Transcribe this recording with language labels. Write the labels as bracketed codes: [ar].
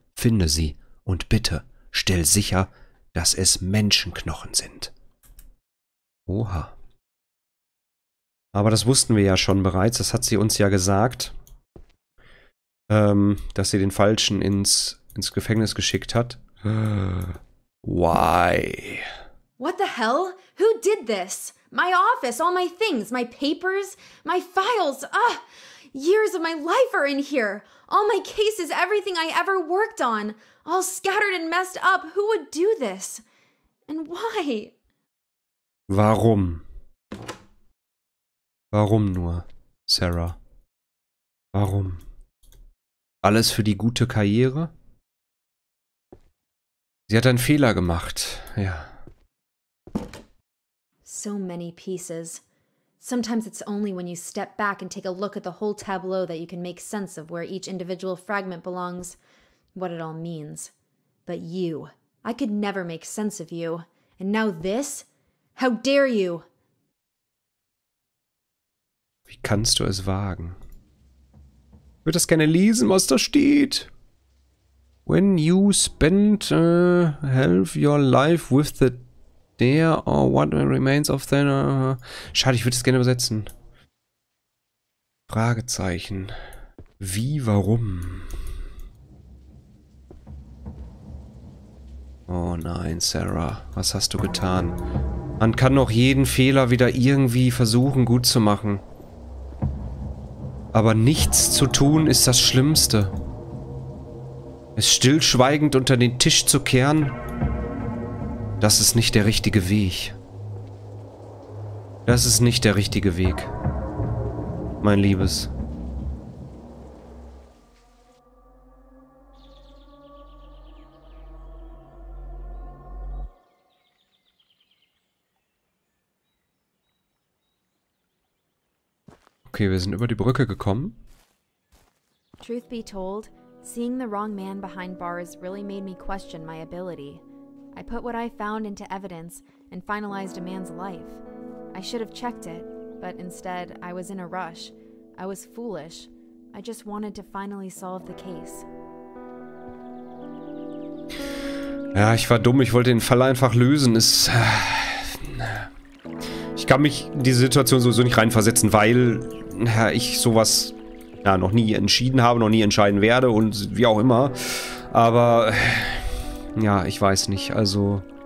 [de] Finde sie und bitte stell sicher, dass es Menschenknochen sind. Oha. Aber das wussten wir ja schon bereits. Das hat sie uns ja gesagt, dass sie den Falschen ins Gefängnis geschickt hat. [en] Why? What the hell? Who did this? My office, all my things, my papers, my files. Ugh. Years of my life are in here. All my cases, everything I ever worked on. All scattered and messed up. Who would do this? And why? [de] Warum? Warum nur, Sarah? Warum? Alles für die gute Karriere? Sie hat einen Fehler gemacht, ja. [en] So many pieces. Sometimes it's only when you step back and take a look at the whole tableau that you can make sense of where each individual fragment belongs, what it all means. But you, I could never make sense of you. And now this? How dare you? [de] Wie kannst du es wagen? Ich würde das gerne lesen, was da steht. [en] When you spend half your life with the there or what remains of the... [de] Schade, ich würde es gerne übersetzen. Fragezeichen. Wie, warum? Oh nein, Sarah. Was hast du getan? Man kann doch jeden Fehler wieder irgendwie versuchen, gut zu machen. Aber nichts zu tun ist das Schlimmste. Es stillschweigend unter den Tisch zu kehren, das ist nicht der richtige Weg. Das ist nicht der richtige Weg. Mein Liebes. Okay, wir sind über die Brücke gekommen. [en] Truth be told, seeing the wrong man behind bars really made me question my ability. I put what I found into evidence and finalized a man's life. I should have checked it, but instead I was in a rush. I was foolish. I just wanted to finally solve the case. [de] Ja, ich war dumm. Ich wollte den Fall einfach lösen. Ich kann mich in diese Situation sowieso nicht reinversetzen, weil ich sowas noch nie entschieden habe, noch nie entscheiden werde und wie auch immer. Aber ja, ich weiß nicht, also...